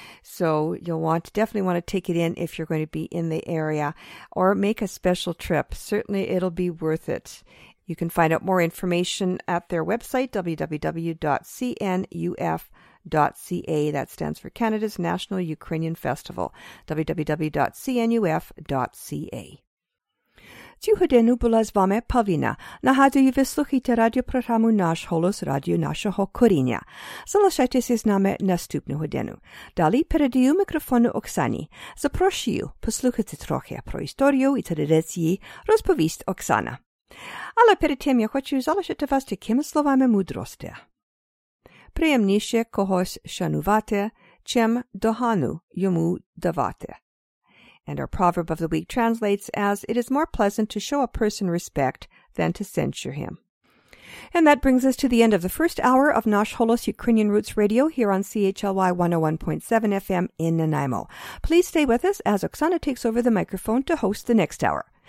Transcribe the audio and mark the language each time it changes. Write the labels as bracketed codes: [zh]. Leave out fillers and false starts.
[en] So you'll definitely want to take it in if you're going to be in the area or make a special trip. Certainly it'll be worth it. You can find out more information at their website, www.cnuf.ca. That stands for Canada's National Ukrainian Festival, www.cnuf.ca. [uk] Цюгодину була з вами Павіна. Нагадую, ви слухаєте радіопрограму «Наш голос» радіо нашого коріння. Залишайтеся з нами наступну годину. Далі передаю мікрофону Оксані. Запрошую послухати трохи про історію і традиції, розповість Оксана. Але перед тим я хочу залишити вас такими словами мудрості. Приємніше когось шанувати, чим догану йому давати. [en] And our proverb of the week translates as, it is more pleasant to show a person respect than to censure him. And that brings us to the end of the first hour of Nash Holos Ukrainian Roots Radio here on CHLY 101.7 FM in Nanaimo. Please stay with us as Oksana takes over the microphone to host the next hour.